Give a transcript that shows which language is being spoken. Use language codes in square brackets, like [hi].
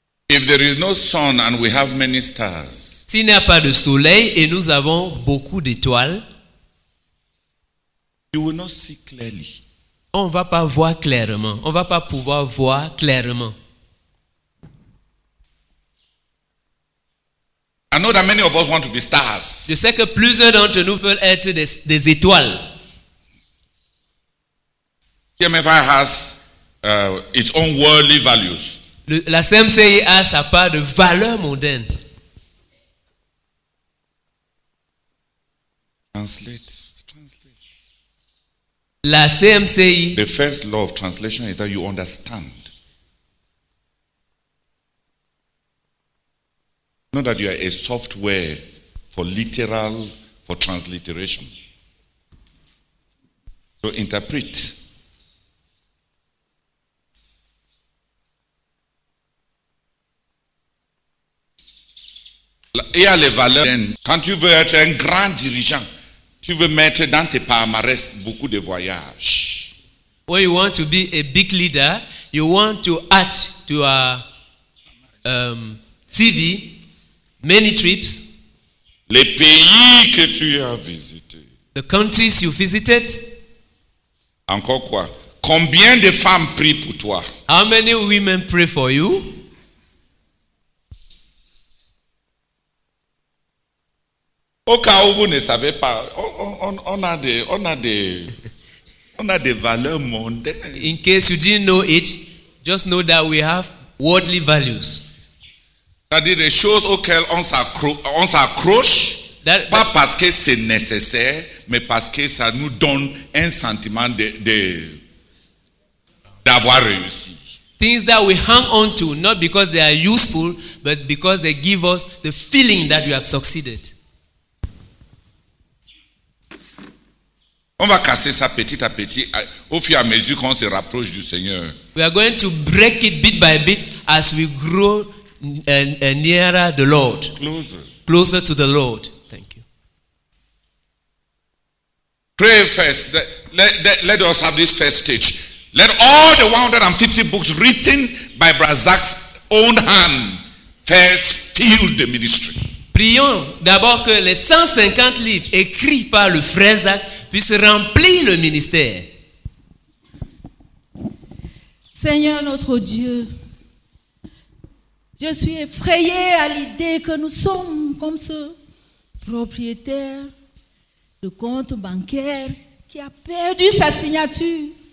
[en] If there is no sun and we have many stars, [fr] s'il n'y a pas de soleil et nous avons beaucoup d'étoiles, [en] you will not see clearly. [fr] On ne va pas voir clairement. On ne va pas pouvoir voir clairement. [en] I know that many of us want to be stars. [fr] Je sais que plusieurs d'entre nous veulent être des étoiles. [en] CMFI has its own worldly values. [fr] La CMCI a sa part de valeurs mondaines. [en] Translate. [fr] La CMCI. [en] The first law of translation is that you understand. Not that you are a software for literal, for transliteration. So interpret. [fr] Il y a les valeurs. Quand tu veux être un grand dirigeant, tu veux mettre dans tes palmarès beaucoup de voyages. [en] When you want to be a big leader, you want to add to a CV many trips. [fr] Les pays que tu as visités. [en] The countries you visited. [fr] Encore quoi? Combien de femmes prient pour toi? [en] How many women pray for you? [fr] Au cas où vous ne savez pas, on a des valeurs mondaines. [en] In case you didn't know it, just know that we have worldly values. [fr] C'est-à-dire des choses auxquelles on s'accroche, pas parce que c'est nécessaire, mais parce que ça nous donne un sentiment d'avoir réussi. [en] Things that we hang on to, not because they are useful, but because they give us the feeling that we have succeeded. [fr] On va casser ça petit à petit au fur et à mesure qu'on se rapproche du Seigneur. [en] We are going to break it bit by bit as we grow and nearer the Lord. Closer to the Lord. Thank you. Pray first. Let us have this first stage. Let all the 150 books written by Brazzac's own hand first fill the ministry. [fr] Prions d'abord que les 150 livres écrits par le frère Zach puissent remplir le ministère. Seigneur notre Dieu, je suis effrayée à l'idée que nous sommes comme ce propriétaire de compte bancaire qui a perdu sa signature.